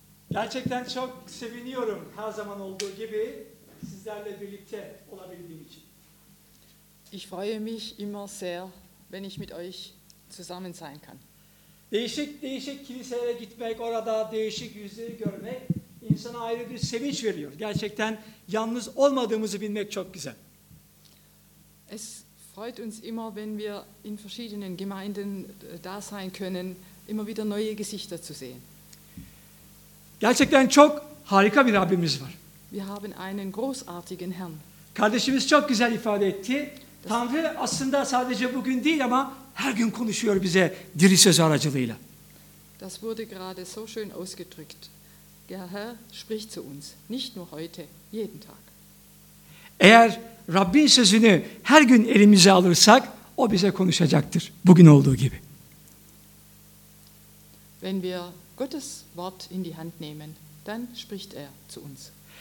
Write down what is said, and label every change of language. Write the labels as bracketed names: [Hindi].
[Turkish] Gerçekten çok seviniyorum her zaman olduğu gibi sizlerle birlikte olabildiğim için. [German] Ich freue mich immer sehr, wenn ich mit euch zusammen sein kann. [Turkish] Değişik kiliselere gitmek, orada değişik yüzleri görmek insana ayrı bir sevinç veriyor. Gerçekten yalnız olmadığımızı bilmek çok güzel. [German] Es freut uns immer, wenn wir in verschiedenen Gemeinden da sein können, immer wieder neue Gesichter zu sehen. [Turkish] Gerçekten çok harika bir Rabbimiz var. [German] Wir haben einen großartigen Herrn. [Turkish] Kardeşimiz çok güzel ifade etti. Tanrı aslında sadece bugün değil ama her gün konuşuyor bize diri söz aracılığıyla. [German] Das wurde gerade so schön ausgedrückt. Der Herr spricht zu uns, nicht nur heute, jeden Tag. [Turkish] Eğer Rabbin sözünü her gün elimize alırsak, o bize konuşacaktır, bugün olduğu gibi. [German] Wenn wir Gottes Wort in die Hand nehmen, dann spricht er zu uns.